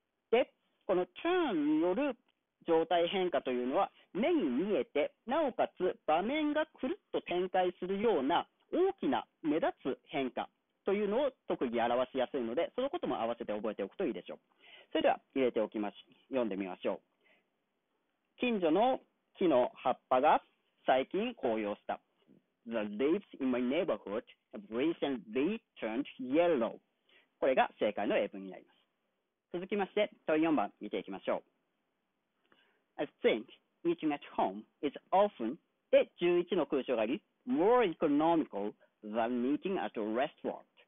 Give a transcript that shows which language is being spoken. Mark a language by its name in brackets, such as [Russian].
[Japanese] で、この turn による状態変化というのは、目に見えて、なおかつ場面がくるっと展開するような大きな目立つ変化というのを特に表しやすいので、そのことも合わせて覚えておくといいでしょう。それでは入れておきまし、読んでみましょう。近所の木の葉っぱが最近紅葉した。 [English] The leaves in my neighborhood have recently turned yellow. [Japanese] これが正解の英文になります。続きまして、問4番見ていきましょう。 [English] I think eating at home is often [Japanese] で11の空所があり、 [English] more economical than eating at a restaurant。